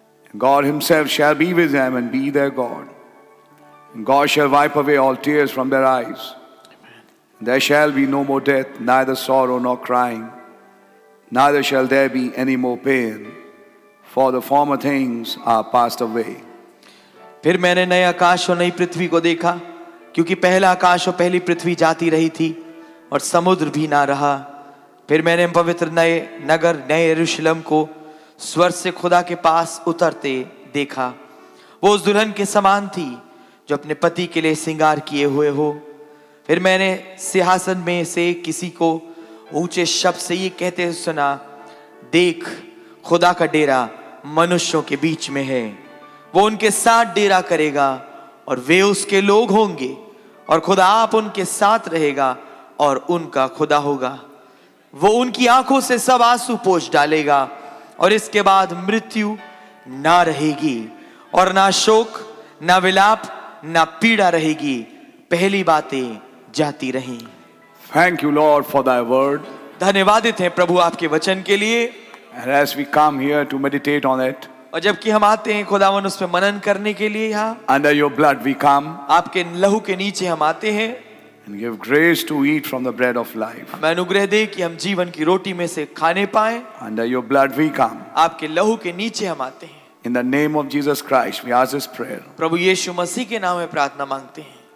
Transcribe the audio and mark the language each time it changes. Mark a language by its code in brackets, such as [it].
[en] And God himself shall be with them and be their God. And God shall wipe away all tears from their eyes. Amen. There shall be no more death, neither sorrow nor crying, neither shall there be any more pain, for the former things are passed away. [hi] फिर मैंने नए आकाश और नई पृथ्वी को देखा क्योंकि पहला आकाश और पहली पृथ्वी जाती रही थी और समुद्र भी ना रहा फिर मैंने पवित्र नए नगर नए यरूशलम को स्वर्ग से खुदा के पास उतरते देखा वो उस दुल्हन के समान थी जो अपने पति के लिए सिंगार किए हुए हो फिर मैंने सिंहासन में से किसी को ऊंचे शब्द से ये कहते सुना देख खुदा का डेरा मनुष्यों के बीच में है वो उनके साथ डेरा करेगा और वे उसके लोग होंगे और खुदा आप उनके साथ रहेगा और उनका खुदा होगा वो उनकी आंखों से सब आंसू पोछ डालेगा और इसके बाद मृत्यु ना रहेगी और ना शोक ना विलाप ना पीड़ा रहेगी पहली बातें जाती रहीं [en] thank you lord for thy word [hi] धन्यवादित हैं प्रभु आपके वचन के लिए [en] and as we come here to meditate on it [hi] और जबकि हम आते हैं खुदावन उस पे मनन करने के लिए यहाँ [en] under your blood we come [hi] आपके लहू के नीचे हम आते हैं [en] and give grace to eat from the bread of life [hi] हमें अनुग्रह दे कि हम जीवन की रोटी में से खाने पाएं [en] under your blood we come [hi] आपके लहू के नीचे हम आते हैं [en] in the name of Jesus Christ we ask this prayer [hi] प्रभु यीशु मसीह के नाम में प्रार्थना मांगते हैं